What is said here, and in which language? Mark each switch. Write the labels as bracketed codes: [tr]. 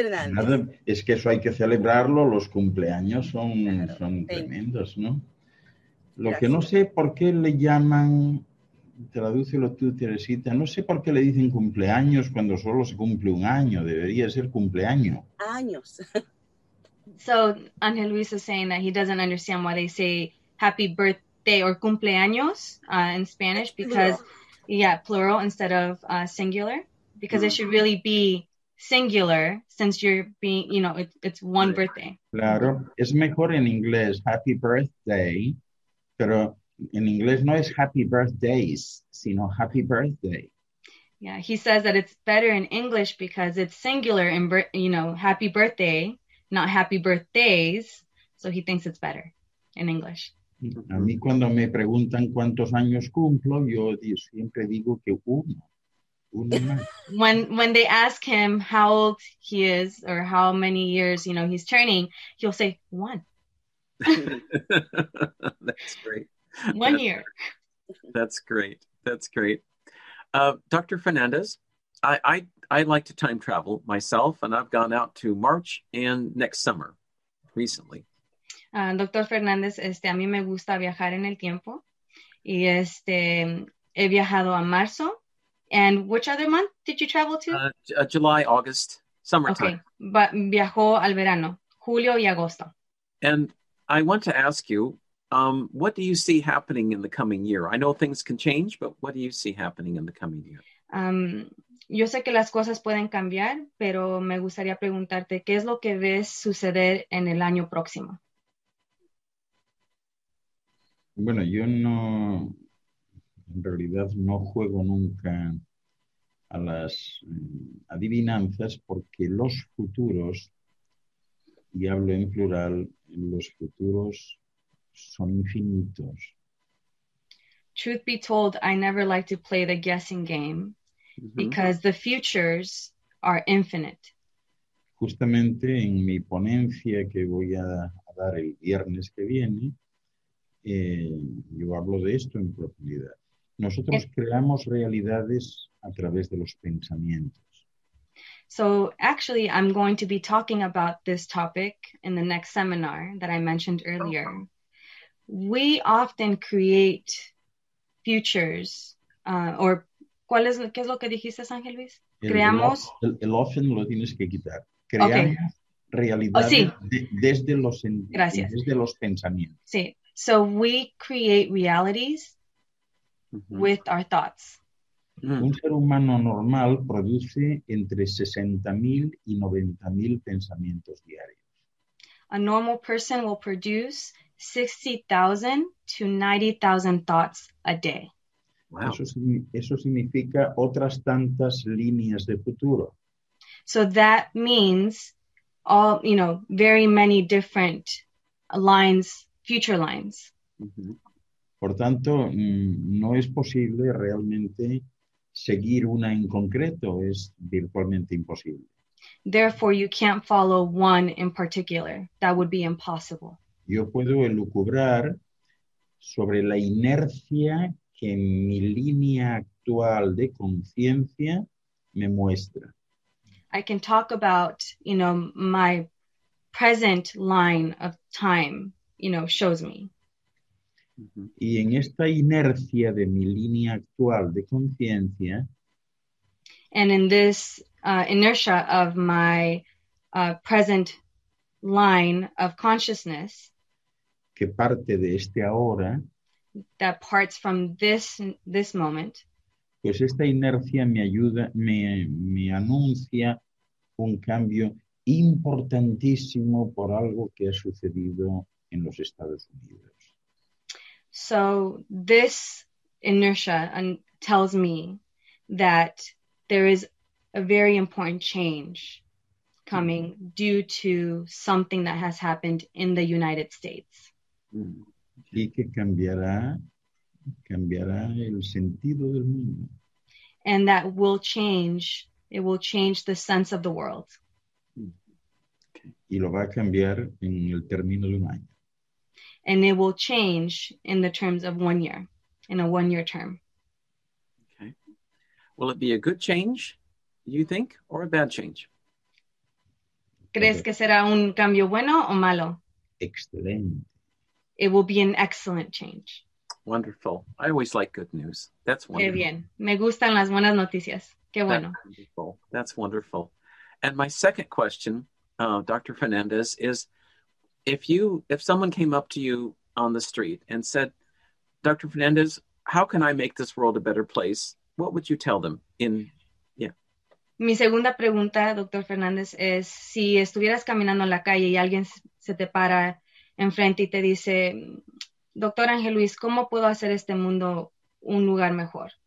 [es] Nada, es que eso hay que celebrarlo, los cumpleaños son tremendos, ¿no? Lo que no sé por qué le llaman tradúcelo tú, Teresita. No sé por qué le dicen cumpleaños cuando solo se cumple un año. Debería ser cumpleaños. Años. [en] So, Angel Luis is saying that he doesn't understand why they say happy birthday or cumpleaños in Spanish. Because, plural. Yeah, plural instead of singular. Because it should really be singular since you're being, you know, it's one birthday. [es] Claro. Es mejor en inglés, [en] happy birthday. [es] Pero en inglés no es [en] happy birthdays, [es] sino [en] happy birthday. Yeah, he says that it's better in English because it's singular in, you know, happy birthday, not happy birthdays. So he thinks it's better in English. [es] A mí cuando me preguntan cuántos años cumplo, yo siempre digo que uno. [en] When they ask him how old he is or how many years, you know, he's turning, he'll say one. That's great. One year. That's great. That's great. Dr. Fernandez, I like to time travel myself, and I've gone out to March and next summer recently. [es] Dr. Fernandez, a mí me gusta viajar en el tiempo. Y he viajado a marzo. [en] And which other month did you travel to? July, August, summertime. [es] Okay, but viajó al verano, julio y agosto. [en] And I want to ask you, what do you see happening in the coming year? I know things can change, but what do you see happening in the coming year? [es] Yo sé que las cosas pueden cambiar, pero me gustaría preguntarte, ¿qué es lo que ves suceder en el año próximo? Bueno, yo no... En realidad no juego nunca a las adivinanzas porque los futuros, y hablo en plural, los futuros son infinitos. [en] Truth be told, I never like to play the guessing game because the futures are infinite. [es] Justamente en mi ponencia que voy a dar el viernes que viene, yo hablo de esto en profundidad. Nosotros creamos realidades a través de los pensamientos. [en] So, actually, I'm going to be talking about this topic in the next seminar that I mentioned earlier. We often create futures, or... [es] ¿Qué es lo que dijiste, Ángel Luis? Creamos... El often lo tienes que quitar. Creamos realidades desde los pensamientos. Sí. [en] So, we create realities... with our thoughts. [es] Un ser humano normal produce entre 60,000 y 90,000 pensamientos diarios. [en] A normal person will produce 60,000 to 90,000 thoughts a day. [es] Wow. Eso significa otras tantas líneas de futuro. [en] So that means all, you know, very many different lines, future lines. [es] Por tanto, no es posible realmente seguir una en concreto, es virtualmente imposible. [en] Therefore, you can't follow one in particular. That would be impossible. [es] Yo puedo elucubrar sobre la inercia que mi línea actual de conciencia me muestra. [en] I can talk about, you know, my present line of time, you know, shows me. [es] Y en esta inercia de mi línea actual de conciencia, [en] and in this inertia of my present line of consciousness, [es] que parte de este ahora, [en] that parts from this moment, [es] pues esta inercia me ayuda, me anuncia un cambio importantísimo por algo que ha sucedido en los Estados Unidos. [en] So this inertia tells me that there is a very important change coming due to something that has happened in the United States. [es] Y que cambiará el sentido del mundo. [en] And that will change, it will change the sense of the world. [es] Y lo va a cambiar en el término de un año. [en] And it will change in the terms of 1 year, in a 1 year term. Okay. Will it be a good change, you think, or a bad change? [es] ¿Crees que será un cambio bueno o malo? Excelente. [en] It will be an excellent change. wonderful. I always like good news. That's wonderful. [es] Qué bien. Me gustan las buenas noticias. Qué bueno. [en] That's wonderful. And my second question, Dr. Fernandez, is if someone came up to you on the street and said, Dr. Fernandez, how can I make this world a better place? What would you tell them? [es] Mi segunda pregunta, Dr. Fernandez, es si estuvieras caminando en la calle y alguien se te para enfrente y te dice, Dr. Ángel Luis, ¿cómo puedo hacer este mundo un lugar mejor?